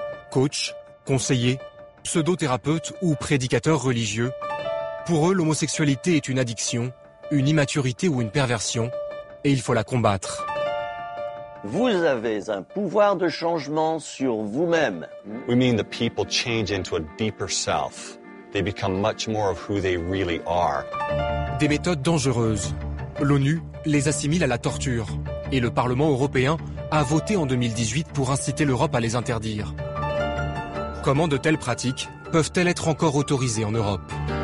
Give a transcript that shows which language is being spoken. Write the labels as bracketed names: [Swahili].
[French] Coach, conseiller, pseudo-thérapeute ou prédicateur religieux, pour eux, l'homosexualité est une addiction, une immaturité ou une perversion, et il faut la combattre. Vous avez un pouvoir de changement sur vous-même. [English] We mean the people change into a deeper self. They become much more of who they really are. [French] Des méthodes dangereuses. L'ONU les assimile à la torture. Et le Parlement européen a voté en 2018 pour inciter l'Europe à les interdire. Comment de telles pratiques peuvent-elles être encore autorisées en Europe ?